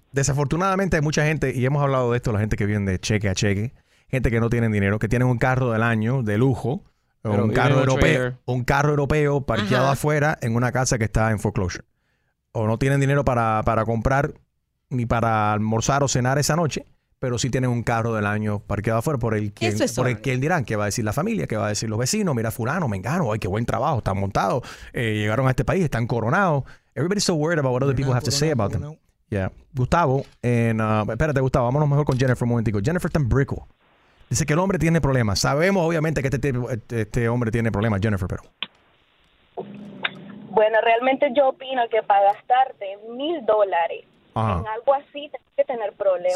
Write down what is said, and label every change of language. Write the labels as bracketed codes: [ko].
[es] Desafortunadamente hay mucha gente, y hemos hablado de esto, la gente que viene de cheque a cheque, gente que no tienen dinero, que tienen un carro del año, de lujo, o un carro europeo parqueado afuera en una casa que está en foreclosure. O no tienen dinero para comprar ni para almorzar o cenar esa noche, pero sí tienen un carro del año parqueado afuera por el que dirán, qué va a decir la familia, qué va a decir los vecinos, mira fulano, mengano, ay, qué buen trabajo, están montados, llegaron a este país, están coronados. [en] Everybody's so worried about what other people have to say about them. Yeah. [es] Gustavo, espérate Gustavo, vámonos mejor con Jennifer un momentico. Jennifer está en Brickell. Dice que el hombre tiene problemas. Sabemos obviamente que este hombre tiene problemas, Jennifer, pero... Bueno, realmente yo opino que para gastarte $1,000 en algo así, tienes que tener problemas.